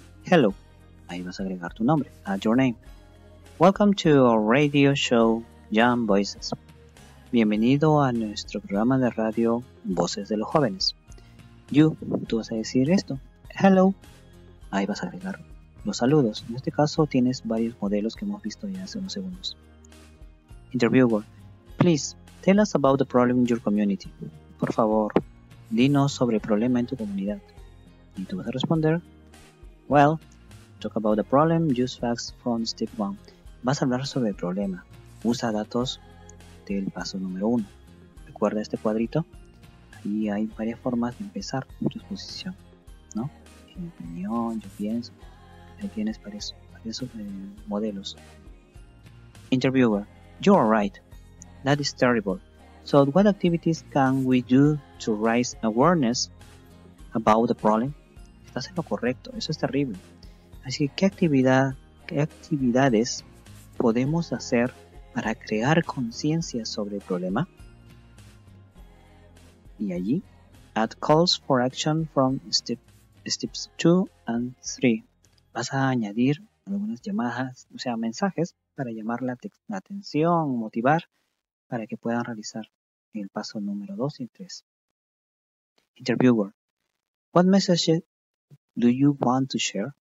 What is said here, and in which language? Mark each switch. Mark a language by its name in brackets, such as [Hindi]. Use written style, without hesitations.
[English] Hello, [Spanish] ahí vas a agregar tu nombre, [English] add your name. Welcome to our radio show, Young Voices. [Spanish] Bienvenido a nuestro programa de radio, Voces de los Jóvenes. You, tú vas a decir esto. Hello, ahí vas a agregar los saludos. En este caso tienes varios modelos que hemos visto ya hace unos segundos. [English] Interviewer, please, tell us about the problem in your community. [Spanish] Por favor, dinos sobre el problema en tu comunidad. Y tú vas a responder, [English] well, talk about the problem, use facts from step one. [Spanish] Vas a hablar sobre el problema, usa datos del paso número uno. Recuerda este cuadrito, ahí hay varias formas de empezar tu exposición, ¿no? En mi opinión, yo pienso, ahí tienes varios modelos. [English] Interviewer, you are right, that is terrible. So what activities can we do to raise awareness about the problem? [Spanish] Estás en lo correcto, eso es terrible. Así que, ¿qué actividades podemos hacer para crear conciencia sobre el problema? Y allí, [English] add calls for action from steps 2 and 3. [Spanish] Vas a añadir algunas llamadas, o sea, mensajes para llamar la atención, motivar para que puedan realizar el paso número 2 y 3. [English] Interviewer, what message do you want to share?